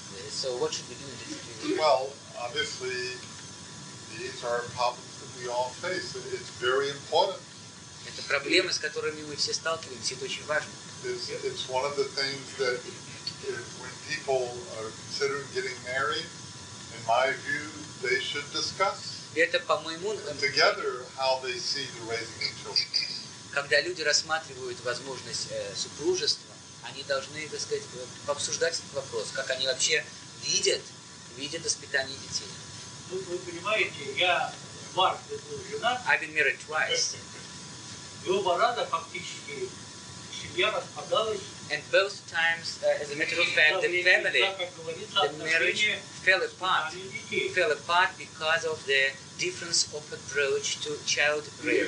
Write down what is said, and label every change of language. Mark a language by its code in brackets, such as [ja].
[en] So what should we do in this situation? Well, obviously, these are problems that we all face. It's very important. [ru] Это проблемы, с которыми мы все сталкиваемся. Это очень важно. [en] It's one of the things that when people are considering getting married, in my view, they should discuss. [ru] Это по-моему. [en] Together, how they see the raising of children. [ru] Когда люди рассматривают возможность супружества, они должны, так сказать, пообсуждать этот вопрос, как они вообще видят воспитание детей. Ну, вы понимаете, я дважды был женат. [en] I've been married twice. [ru] И оба раза фактически семья распадалась. [en] And both times, as a matter of fact, the family, the marriage fell apart because of the difference of approach to child rearing.